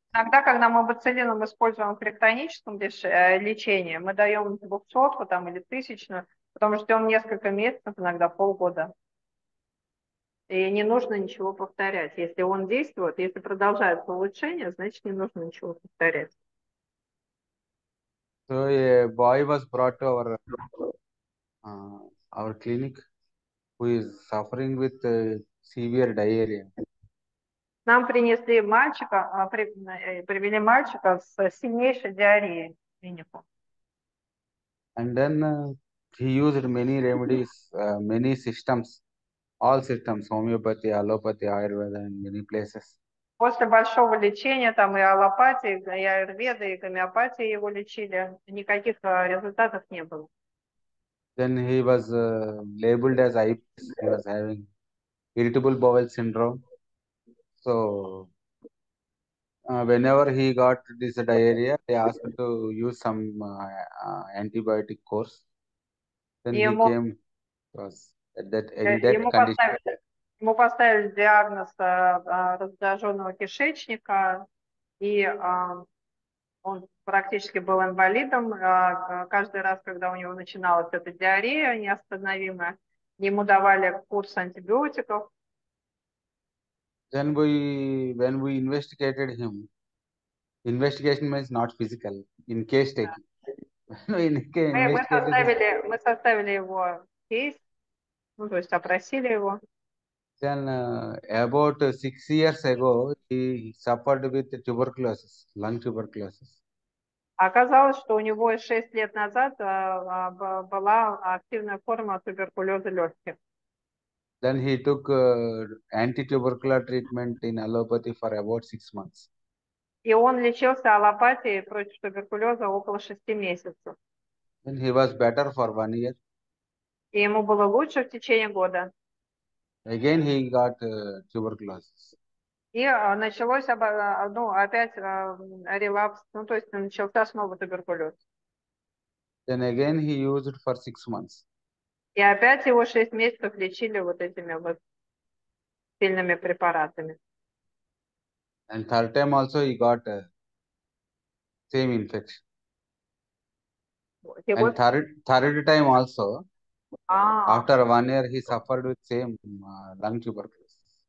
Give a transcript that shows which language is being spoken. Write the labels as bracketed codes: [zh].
[ru] иногда, когда мы бацилином используем при хроническом лечении, мы даем 200-ку там или тысячную, потом ждем несколько месяцев, иногда полгода. И не нужно ничего повторять. Если он действует, если продолжается улучшение, значит не нужно ничего повторять. [en] So a boy was brought to our clinic who is suffering with severe diarrhea. [ru] Нам принесли мальчика, привели мальчика с сильнейшей диареей клинику. [en] And then he used many remedies, many systems, all systems, homeopathy, allopathy, Ayurveda, in many places. [ru] После большого лечения там и аллопатии, и аюрведы, и гомеопатии его лечили, никаких результатов не было. [en] Then he was labeled as IBS. He was having irritable bowel syndrome. So whenever he got this diarrhea, they asked him to use some antibiotic course. Then he came was in that condition. [ru] Ему поставили диагноз разряженного кишечника, и он практически был инвалидом. Каждый раз, когда у него начиналась эта диарея неостановимая, ему давали курс антибиотиков. [en] When we investigated him, investigation means not physical, in case taking. When we investigated him, [ru] Мы составили его кейс, ну, то есть опросили его. [en] then about 6 years ago, he suffered with tuberculosis, lung tuberculosis. [ru] Оказалось, что у него 6 лет назад была активная форма туберкулеза легких. [en] Then he took anti-tubercular treatment in allopathy for about 6 months. [ru] И он лечился аллопатией против туберкулеза около 6 месяцев. [en] Then he was better for 1 year. [ru] И ему было лучше в течение года. [en] Again he got tuberculosis. [ru] И началось, ну, опять релапс, ну, то есть начался снова туберкулез. [en] Then again he used for 6 months. [ru] И опять его 6 месяцев лечили вот этими вот сильными препаратами. [en] And third time also he got same infection. And third time also, after 1 year, he suffered with same lung tuberculosis.